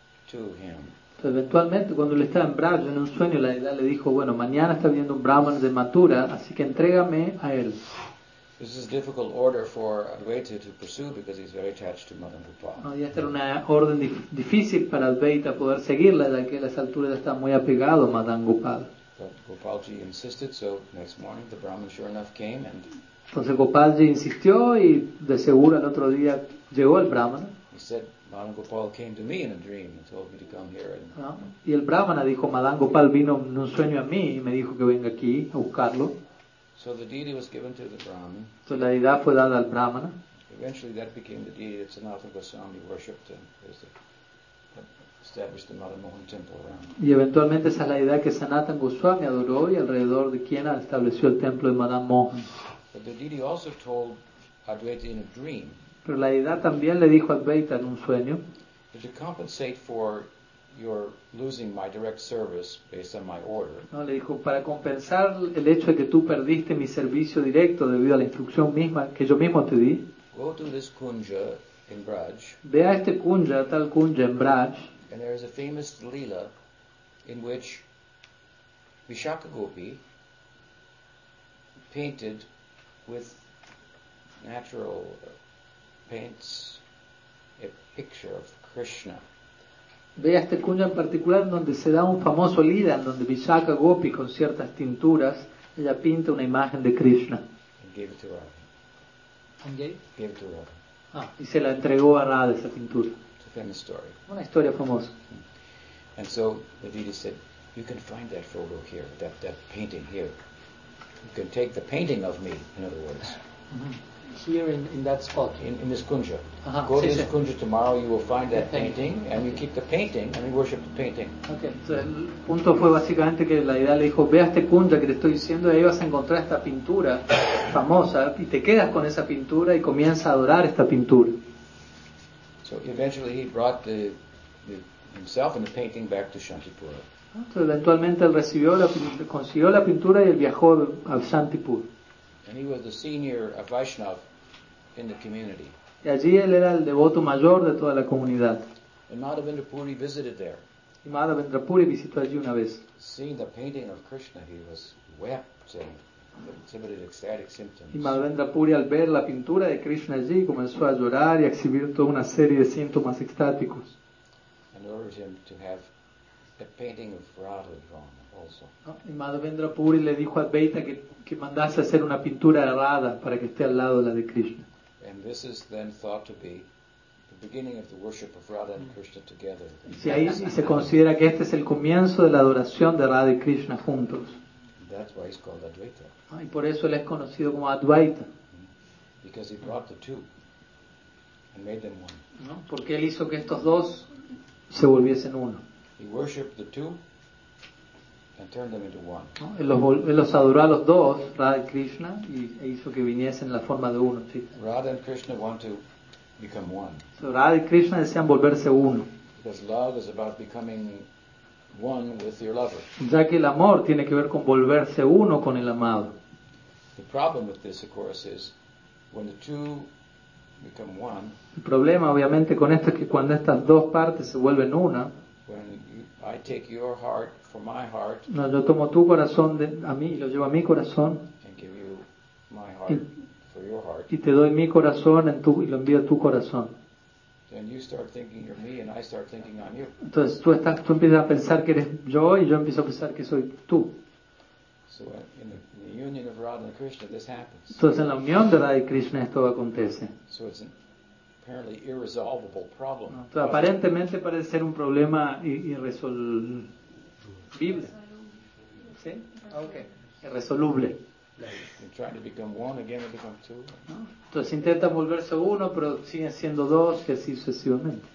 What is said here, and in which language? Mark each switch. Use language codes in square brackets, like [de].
[en] to him. [es] Eventualmente, cuando él estaba en Braj, en un sueño, la deidad le dijo, bueno, mañana está viniendo un Brahman de Mathura, así que entrégame a él. [en] This is a difficult order for Advaita to pursue because he's very attached to Madan Rupa. [es] No, y esta era una orden difícil para Advaita poder seguirla, ya que a esa altura está muy apegado a Madan Gopal. [en] But Gopalji insisted, so next morning the Brahman sure enough came and... [es] Entonces Gopalji insistió y de seguro al otro día llegó el Brahman. [en] He said, Madan Gopal came to me in a dream and told me to come here. And, [es] no. Y el Brahmana dijo, Madan Gopal vino en un sueño a mí y me dijo que venga aquí a buscarlo. [en] So the deity was given to the Brahman. [es] So la deidad fue dada al Brahmana. [en] Eventually that became the deity that Sanatana Goswami worshipped and established the Madan Mohan temple around. [es] Y eventualmente esa es la deidad que Sanatana Goswami adoró y alrededor de quien estableció el templo de Madan Mohan. [en] But the deity also told Advaita in a dream. [es] Pero la deidad también le dijo a Advaita en un sueño. [en] But to compensate for your losing my direct service based on my order. [es] No, le dijo, para compensar el hecho de que tú perdiste mi servicio directo debido a la instrucción misma que yo mismo te di. [en] Go to this kunja in Braj. [es] Ve a este kunja, tal kunja en Braj. [en] And there is a famous lila in which Vishakha Gopi painted with natural paints a picture of Krishna. [es] Ve a este kunja en particular donde se da un famoso lila en donde Vishakha Gopi con ciertas tinturas ella pinta una imagen de Krishna. [en] And gave it to Radha. And gave it to Radha. [es] Ah, y se la entregó a Radha esa pintura. [en] It's a famous story. [es] Una historia famosa. [en] And so the deity said, you can find that photo here, that painting here. You can take the painting of me, in other words. Here in that spot. In this kunja. Go to this kunja tomorrow, you will find that painting, and you keep the painting, and you worship the painting. Okay, so [es] el punto fue básicamente que la idea le dijo, ve a este kunja que te estoy diciendo, y ahí vas a encontrar esta pintura famosa, y te quedas con esa pintura y comienza a adorar esta pintura. [en] So eventually he brought the himself and the painting back to Shantipura. [es] Entonces, eventualmente él recibió consiguió la pintura y él viajó a Shantipur. [en] And he was the senior of Vaishnav in the community. [es] Y allí él era el devoto mayor de toda la comunidad. [en] And Madhavendra Puri visited there. [es] Y Madhavendra Puri visitó allí una vez. [en] Seeing the painting of Krishna, he was wept and exhibited ecstatic symptoms. [es] Y Madhavendra Puri al ver la pintura de Krishna allí comenzó a llorar y a exhibir toda una serie de síntomas extáticos. [en] And ordered him to have a painting of Radha drawn also. [es] Y Madhavendra Puri le dijo a Advaita que mandase a hacer una pintura de Radha para que esté al lado de la de Krishna. [en] And this is then thought to be the beginning of the worship of Radha and Krishna together. [es] Y se considera que este es el comienzo de la adoración de Radha y Krishna juntos. [en] That's why he's called Advaita. [es] Y por eso él es conocido como Advaita. [en] Because he brought the two and made them one. [es] No, porque él hizo que estos dos se volviesen uno. [en] He worshipped the two and turned them into one. [es] No, él los adoró a los dos, Radha y Krishna, y hizo que viniesen en la forma de uno. ¿Sí? [en] Radha and Krishna want to become one. [es] So Radha y Krishna desean volverse uno. [en] Because love is about becoming one with your lover. [es] Ya que el amor tiene que ver con volverse uno con el amado. [en] The problem with this, of course, is when the two become one. [es] El problema, obviamente, con esto es que cuando estas dos partes se vuelven una. [en] When I take your heart for my heart, [es] no, yo tomo tu corazón a mí y lo llevo a mi corazón [en] and give you my heart for your heart, [es] y te doy mi corazón y lo envío a tu corazón. [en] Then you start thinking you're me and I start thinking I'm you. [es] Entonces tú empiezas a pensar que eres yo y yo empiezo a pensar que soy tú. [en] So in the union of Radha and Krishna, this happens. [es] Entonces en la unión de Radha y Krishna esto acontece. [en] So it's apparently irresolvable problem. [es] No, aparentemente parece ser un problema irresolvible. ¿Sí? [en] Okay. [es] Irresoluble. [en] They're trying to become one again and become two. [es] No. Entonces intentan volverse uno, pero siguen siendo dos y así sucesivamente.